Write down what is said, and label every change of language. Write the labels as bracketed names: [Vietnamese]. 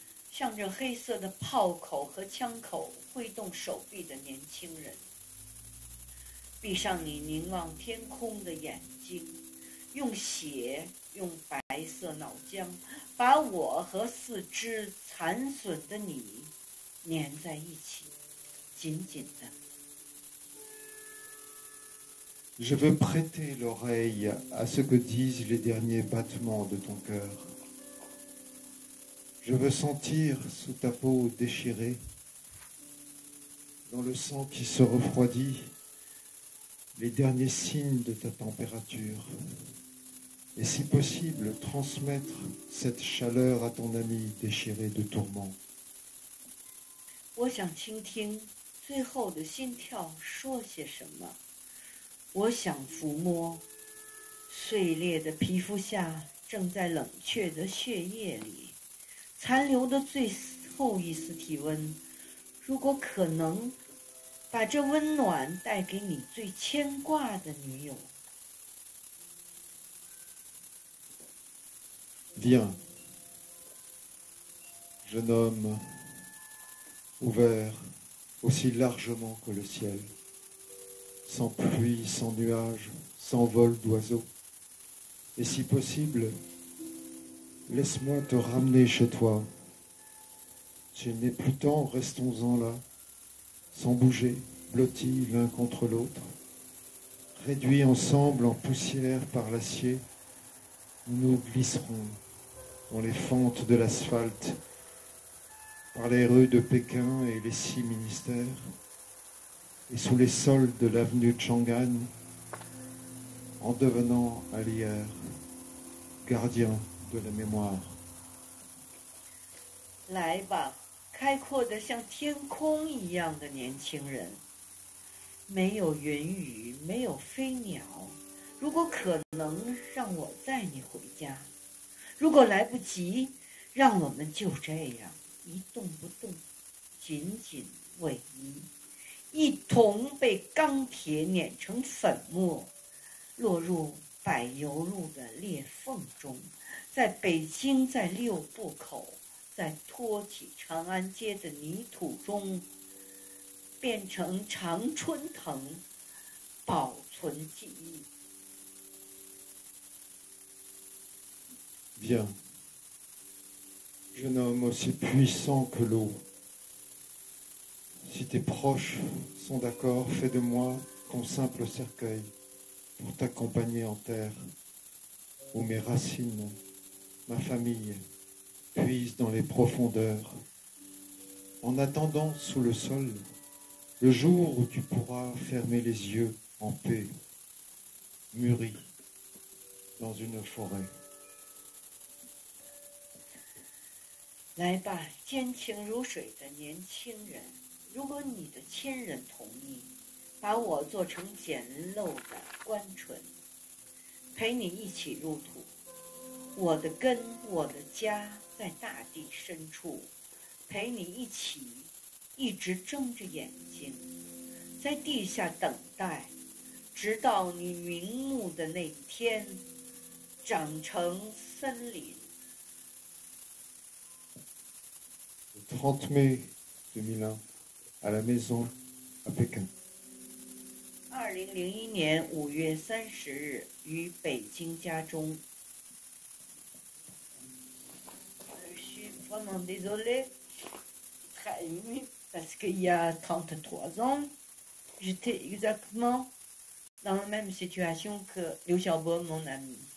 [Chinese] 向着黑色的炮口和枪口挥动手臂的年轻人，闭上你凝望天空的眼睛，用血，用白色脑浆，把我和四肢残损的你粘在一起，紧紧的。 [French] Je veux prêter l'oreille à ce que disent les derniers battements de ton cœur. Je veux sentir sous ta peau déchirée, dans le sang qui se refroidit, les derniers signes de ta température, et si possible, transmettre cette chaleur à ton ami déchiré de tourments. [Chinese] 我想倾听最后的心跳说些什么，我想抚摸碎裂的皮肤下正在冷却的血液里。残留的最后一丝体温，如果可能，把这温暖带给你最牵挂的女友。 [French] Viens, jeune homme, ouvert aussi largement que le ciel, sans pluie, sans nuages, sans vol d'oiseaux, et si possible. Laisse-moi te ramener chez toi. S'il n'est plus temps, restons-en là, sans bouger, blottis l'un contre l'autre. Réduits ensemble en poussière par l'acier, nous glisserons dans les fentes de l'asphalte, par les rues de Pékin et les six ministères, et sous les sols de l'avenue Chang'an, en devenant à l'hier gardien.De la mémoire. [Chinese] 来吧，开阔的像天空一样的年轻人，没有云雨，没有飞鸟。如果可能，让我载你回家；如果来不及，让我们就这样一动不动，紧紧偎依，一同被钢铁碾成粉末，落入柏油路的裂缝中，在北京，在六部口，在托起长安街的泥土中，变成常春藤，保存记忆。 [French] Bien, jeune homme aussi puissant que l'eau, si tes proches sont d'accord, fais de moi ton simple cercueil pour t'accompagner en terre, où mes racines, ma famille, puisent dans les profondeurs, en attendant sous le sol le jour où tu pourras fermer les yeux en paix, mûri dans une forêt. [Chinese] 来吧，坚情如水的年轻人，如果你的亲人同意，把我做成简陋的棺椁，陪你一起入土。我的根，我的家在大地深处，陪你一起一直睁着眼睛在地下等待，直到你瞑目的那一天长成森林。 [French] Le 30 mai 2001, à la maison à Pékin. [Chinese] 2001年5月30日于北京家中。 [French] Je suis vraiment désolé, très ému, parce qu'il y a 33 ans, j'étais exactement dans la même situation que 刘晓波, mon ami.